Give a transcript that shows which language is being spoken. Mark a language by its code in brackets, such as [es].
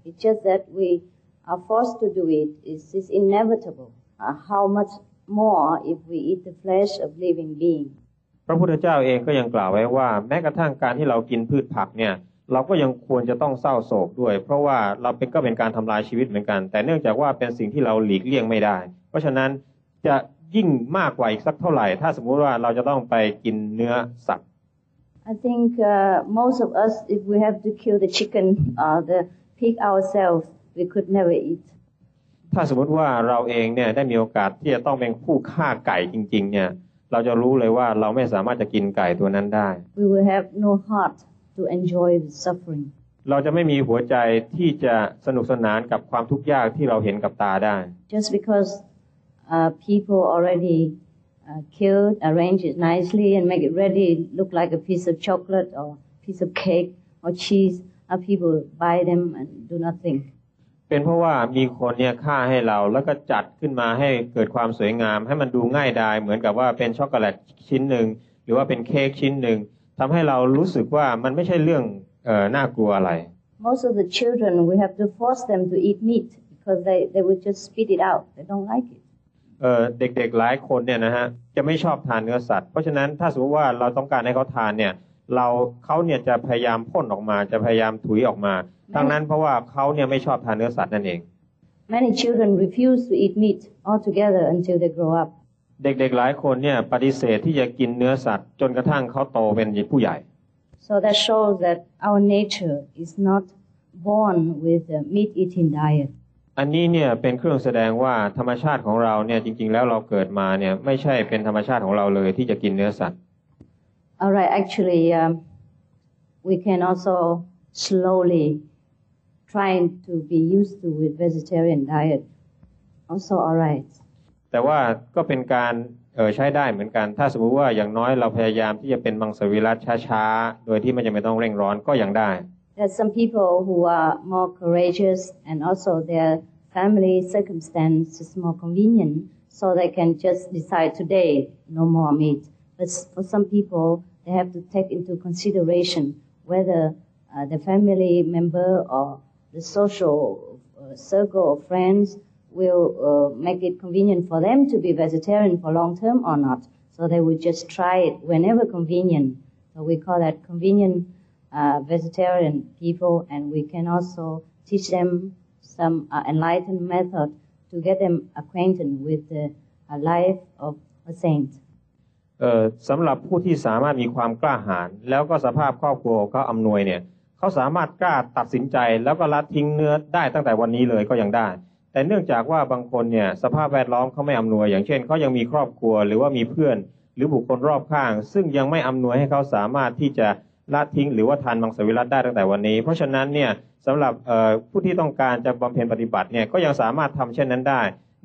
[en] It's just that we are forced to do it. It's inevitable. How much more if we eat the flesh of living beings? [th] พระพุทธเจ้าเองก็ยังกล่าวไว้ว่าแม้กระทั่งการที่เรากินพืชผักเนี่ยเราก็ยังควรจะต้องเศร้าโศกด้วยเพราะว่าเราก็เป็นการทำลายชีวิตเหมือนกันแต่เนื่องจากว่าเป็นสิ่งที่เราหลีกเลี่ยงไม่ได้เพราะฉะนั้นจะยิ่งมากกว่าอีกสักเท่าไหร่ถ้าสมมติว่าเราจะต้องไปกินเนื้อสัตว์ [en] I think most of us, if we have to kill the chicken or the pig ourselves, we could never eat. [th] ถ้าสมมติว่าเราเองเนี่ยได้มีโอกาสที่จะต้องเป็นผู้ฆ่าไก่จริงๆเนี่ยเราจะรู้เลยว่าเราไม่สามารถจะกินไก่ตัวนั้นได้ [en] We will have no heart to enjoy the suffering. [th] เราจะไม่มีหัวใจที่จะสนุกสนานกับความทุกข์ยากที่เราเห็นกับตาได้ [en] Just because people alreadykilled, arrange it nicely, and make it ready, look like a piece of chocolate or piece of cake or cheese. Our people buy them and do nothing. [th] เป็นเพราะว่ามีคนเนี่ยฆ่าให้เราแล้วก็จัดขึ้นมาให้เกิดความสวยงามให้มันดูง่ายดายเหมือนกับว่าเป็นช็อกโกแลตชิ้นหนึ่งหรือว่าเป็นเค้กชิ้นหนึ่งทำให้เรารู้สึกว่ามันไม่ใช่เรื่องน่ากลัวอะไร [en] Most of the children, we have to force them to eat meat because they would just spit it out. They don't like it. [th] เด็กๆหลายคนเนี่ยนะฮะจะไม่ชอบทานเนื้อสัตว์เพราะฉะนั้นถ้าสมมติว่าเราต้องการให้เขาทานเนี่ยเขาเนี่ยจะพยายามพ่นออกมาจะพยายามถุยออกมาทั้งนั้นเพราะว่าเขาเนี่ยไม่ชอบทานเนื้อสัตว์นั่นเอง [en] Many children refuse to eat meat altogether until they grow up [th] เด็กๆหลายคนเนี่ยปฏิเสธที่จะกินเนื้อสัตว์จนกระทั่งเขาโตเป็นผู้ใหญ่ [en] So that shows that our nature is not born with a meat eating diet [th] อันนี้เนี่ยเป็นเครื่องแสดงว่าธรรมชาติของเราเนี่ยจริงๆแล้วเราเกิดมาเนี่ยไม่ใช่เป็นธรรมชาติของเราเลยที่จะกินเนื้อสัตว์ [en] Alright actually we can also slowly try to be used to with vegetarian diet also alright [th] แต่ว่าก็เป็นการใช้ได้เหมือนกันถ้าสมมติว่าอย่างน้อยเราพยายามที่จะเป็นมังสวิรัติช้าๆโดยที่ไม่จำเป็นต้องเร่งร้อนก็ยังได้ [en] There's some people who are more courageous and also their family circumstance is more convenient so they can just decide today no more meat but for some people they have to take into consideration whether the family member or the social circle of friends will make it convenient for them to be vegetarian for long term or not so they will just try it whenever convenient so we call that convenientvegetarian people and we can also teach them some enlightened method to get them acquainted with the life of a saint [th] สำหรับผู้ที่สามารถมีความกล้าหาญแล้วก็สภาพครอบครัวเขาอำนวยเนี่ยเขาสามารถกล้าตัดสินใจแล้วก็ละทิ้งเนื้อได้ตั้งแต่วันนี้เลยก็ยังได้แต่เนื่องจากว่าบางคนเนี่ยสภาพแวดล้อมเขาไม่อำนวยอย่างเช่นเขายังมีครอบครัวหรือว่ามีเพื่อนหรือบุคคลรอบข้างซึ่งยังไม่อำนวยให้เขาสามารถที่จะละทิ้งหรือว่าทานมังสวิรัติได้ตั้งแต่วันนี้เพราะฉะนั้นเนี่ยสำหรับผู้ที่ต้องการจะบำเพ็ญปฏิบัติเนี่ยก็ยังสามารถทำเช่นนั้นไ